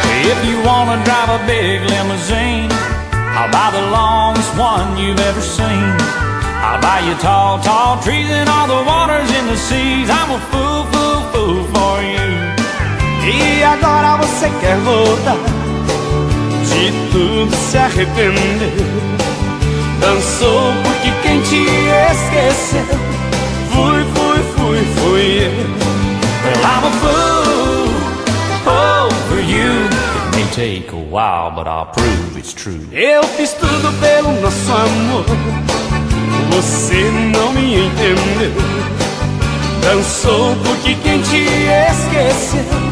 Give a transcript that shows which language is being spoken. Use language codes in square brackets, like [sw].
[en] If you wanna drive a big limousine, I'll buy the longest one you've ever seen. I'll buy you tall, tall trees and all the waters in the seas. I'm a fool, fool, fool for you. [pt] E agora você quer voltar? De tudo se arrependeu. Dançou porque quem te esqueceu. Fui, fui, fui, fui eu. [en] Well, I'm a fool, fool for you. It may take a while, but I'll prove it's true. [pt] Eu fiz tudo pelo nosso amor. Você não me entendeu. Dançou porque quem te esqueceu.